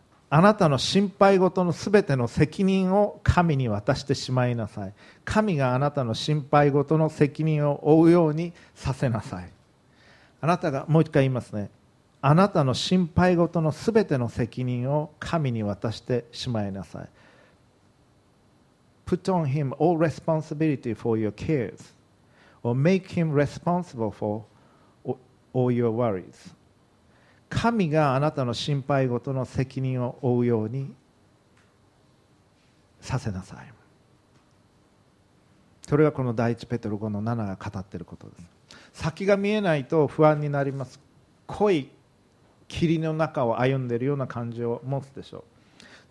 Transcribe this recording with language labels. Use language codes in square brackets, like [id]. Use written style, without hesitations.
[ja] あなたの心配事のすべての責任を神に渡してしまいなさい。神があなたの心配事の責任を負うようにさせなさい。あなたが、もう一回言いますね、あなたの心配事のすべての責任を神に渡してしまいなさい。 [en] Put on him all responsibility for your cares, or make him responsible for all your worries. [ja] 神があなたの心配事の責任を負うようにさせなさい。それがこの第一ペテロ5の7が語っていることです。先が見えないと不安になります。濃い霧の中を歩んでいるような感じを持つでしょう。